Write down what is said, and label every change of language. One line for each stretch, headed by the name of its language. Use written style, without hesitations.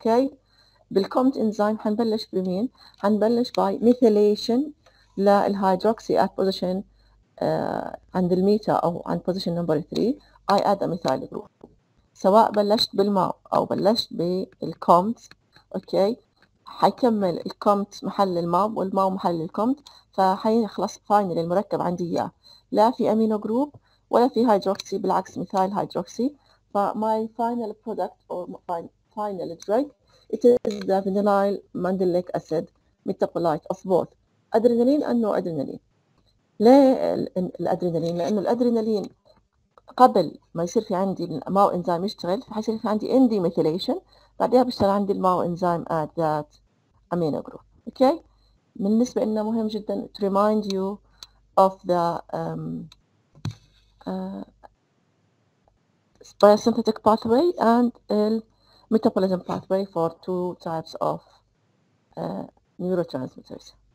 English: okay, بالcompt enzyme
Arabic: حنبلش بمين؟ حنبلش
English: by methylation للhydroxy at position
Arabic: عند الميتا أو عند
English: position number 3 I add a methyl group.
Arabic: سواء بلشت بالماء أو بلشت بالcompt. okay, حيكمل الcompt محل الماء والماء محل الcompt, فحيخلص
English: finally
Arabic: المركب عندي إياه لا في amino group ولا في هيدروكسي, بالعكس ميثايل هيدروكسي.
English: ف my final product or my final drug it is the vinyl mandelic acid metabolite of both adrenaline and noradrenaline.
Arabic: ليه الادرينالين؟ لانه الادرينالين قبل ما يصير في عندي الماو انزيم يشتغل حيصير في عندي ان دي ميثيليشن, بعدها بيشتغل عندي الماو انزيم
English: at that amino group. okay,
Arabic: بالنسبه لنا مهم جدا
English: to remind you of the biosynthetic pathway and metabolism pathway for two types of neurotransmitters.